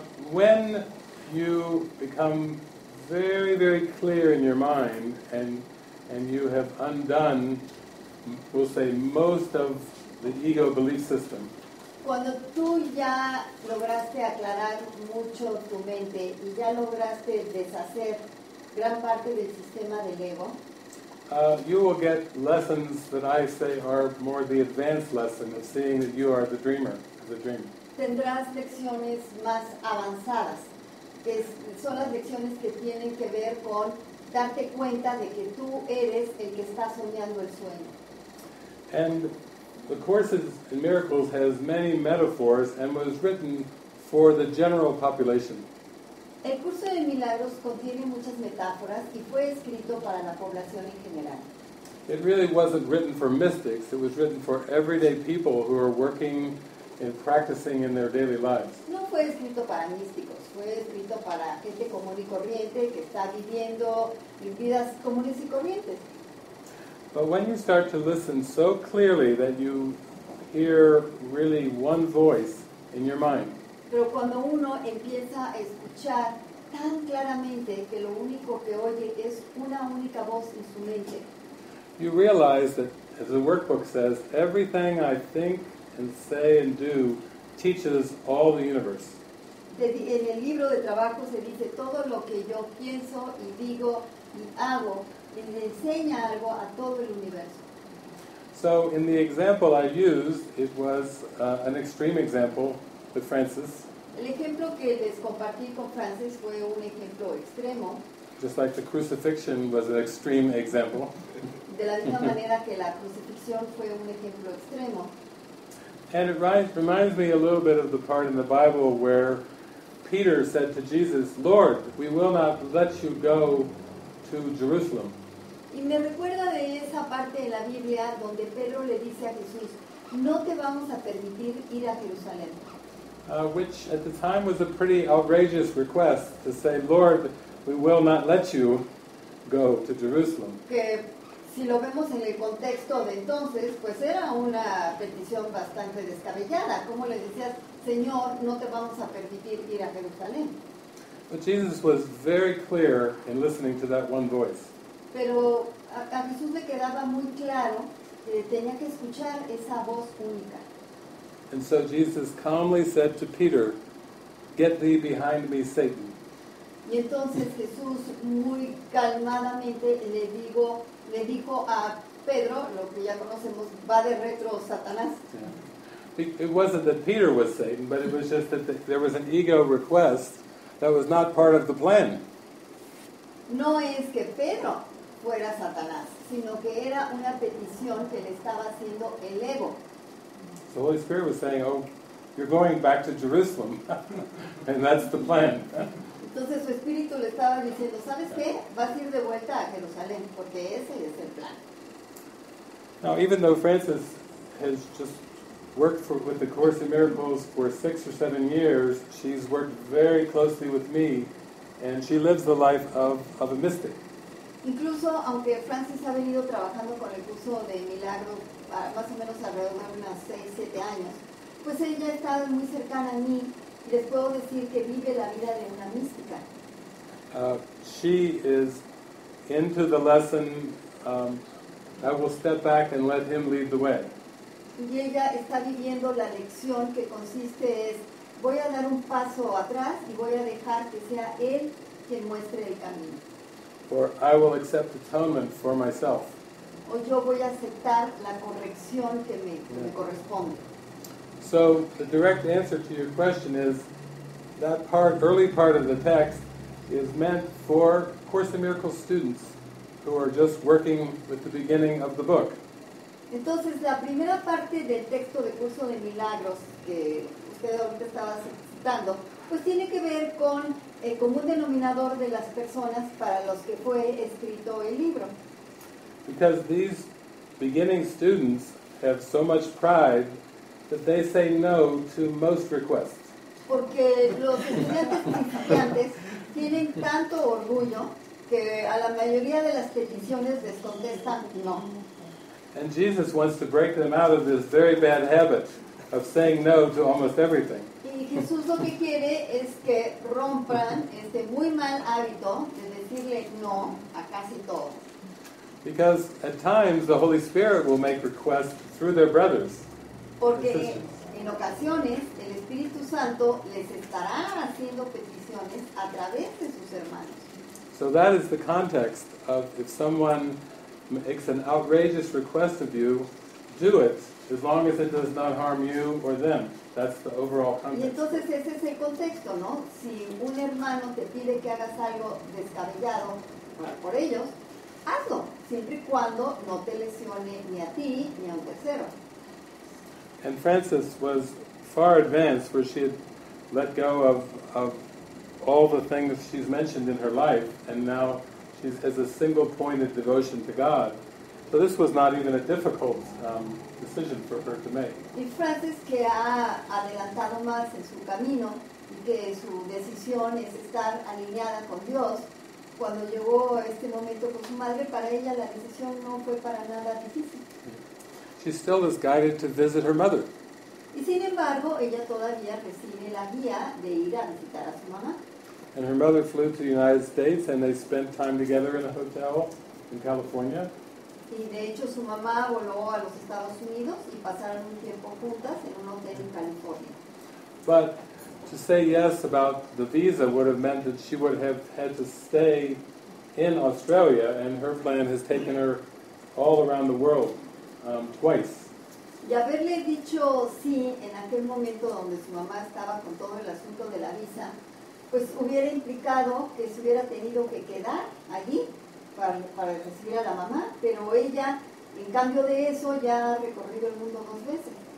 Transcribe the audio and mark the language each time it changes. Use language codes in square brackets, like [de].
[en] When you become very, very clear in your mind and you have undone, we'll say, most of the ego belief system. [es] Cuando tú ya lograste aclarar mucho tu mente y ya lograste deshacer gran parte del sistema del ego, [en] You will get lessons that I say are more the advanced lesson of seeing that you are the dreamer, the dream. [es] Tendrás lecciones más avanzadas, que son las lecciones que tienen que ver con darte cuenta de que tú eres el que está soñando el sueño. [en] And the Course in Miracles has many metaphors and was written for the general population. [es] El curso de milagros contiene muchas metáforas y fue escrito para la población en general. [en] It really wasn't written for mystics, it was written for everyday people who are working and practicing in their daily lives. [es] No fue escrito para místicos, fue escrito para gente común y corriente que está viviendo vidas comunes y corrientes. [en] But when you start to listen so clearly that you hear really one voice in your mind. [es] Pero cuando uno empieza a escuchar tan claramente que lo único que oye es una única voz en su mente. [en] You realize that, as the workbook says, everything I think and say and do teaches all the universe. [es] En el libro de trabajo se dice todo lo que yo pienso y digo y hago le enseña algo a todo el universo. [en] So in the example I used, it was an extreme example with Francis. [es] El ejemplo que les compartí con Francis fue un ejemplo extremo. [en] Just like the crucifixion was an extreme example. [es] De la misma manera que la crucifixión fue un ejemplo extremo. [en] And it reminds me a little bit of the part in the Bible where Peter said to Jesus, Lord, we will not let you go to Jerusalem. [es] Y me recuerda de esa parte de la Biblia donde Pedro le dice a Jesús, no te vamos a permitir ir a Jerusalén. [en] Which at the time was a pretty outrageous request to say, Lord, we will not let you go to Jerusalem. [es] Que si lo vemos en el contexto de entonces, pues era una petición bastante descabellada. ¿Cómo le decías, Señor, no te vamos a permitir ir a Jerusalén? [en] But Jesus was very clear in listening to that one voice. [es] Pero a Jesús le quedaba muy claro que tenía que escuchar esa voz única. [en] And so Jesus calmly said to Peter, get thee behind me, Satan. [es] Y entonces Jesús muy calmadamente le dijo a Pedro, lo que ya conocemos, va de retro Satanás. Yeah. [en] It wasn't that Peter was Satan, but it was just that there was an ego request that was not part of the plan. [es] No es que Pedro fuera Satanás, sino que era una petición que le estaba haciendo el ego. [en] The Holy Spirit was saying, oh, you're going back to Jerusalem, and that's the plan. [es] Entonces su espíritu le estaba diciendo, ¿sabes qué? Vas a ir de vuelta a Jerusalén, porque ese es el plan. [en] Now, even though Francis has just worked with the Course in Miracles for 6 or 7 years, she's worked very closely with me, and she lives the life of a mystic. [es] Incluso aunque Francis ha venido trabajando con el curso de Milagro más o menos alrededor de unas 6-7 años, pues él ya ha estado muy cercana a mí y les puedo decir que vive la vida de una mística. [en] She is into the lesson. I will step back and let him lead the way. [es] Y ella está viviendo la lección que consiste es voy a dar un paso atrás y voy a dejar que sea él quien muestre el camino. [en] Or I will accept atonement for myself. [es] O yo voy a aceptar la corrección que me, me corresponde. [en] So the direct answer to your question is that part, early part of the text is meant for Course in Miracles students who are just working with the beginning of the book. [es] Entonces, la primera parte del texto de Curso de Milagros que usted ahorita estaba citando, pues tiene que ver con el común denominador de las personas para los que fue escrito el libro. [en] Because these beginning students have so much pride that they say no to most requests. [es] Porque los estudiantes principiantes tienen tanto orgullo que a la mayoría de las peticiones les contestan no. [en] And Jesus wants to break them out of this very bad habit of saying no to almost everything. [es] Y Jesús lo que quiere es que rompan este muy mal hábito de decirle no a casi todo. [en] Because at times the Holy Spirit will make requests through their brothers. [es] Porque en ocasiones el Espíritu Santo les estará haciendo peticiones a través de sus hermanos. [en] So that is the context of if someone makes an outrageous request of you, do it as long as it does not harm you or them. That's the overall context. [es] Y entonces ese es el contexto, ¿no? Si un hermano te pide que hagas algo descabellado por ellos, hazlo, siempre y cuando no te lesione ni a ti ni a un tercero. [en] And Frances was far advanced where she had let go of all the things she's mentioned in her life, and now she's has a single point of devotion to God. So this was not even a difficult decision for her to make. [es] Y Frances, que ha adelantado más en su camino y que su decisión es estar alineada con Dios, cuando llegó este momento con su madre, para ella la decisión no fue para nada difícil. [en] She still is guided to visit her mother. [es] Y sin embargo, ella todavía recibe la guía de ir a visitar a su mamá. [en] And her mother flew to the United States and they spent time together in a hotel in California. [es] Y de hecho su mamá voló a los Estados Unidos y pasaron un tiempo juntas en un hotel en California. [en] But to say yes about the visa would have meant that she would have had to stay in Australia, and her plan has taken her all around the world twice. [es] Y haberle dicho sí en aquel momento donde su mamá estaba con todo el asunto de la visa, pues hubiera implicado que se hubiera tenido que quedar allí para recibir a la mamá, pero ella, en cambio de eso, ya ha recorrido el mundo dos veces.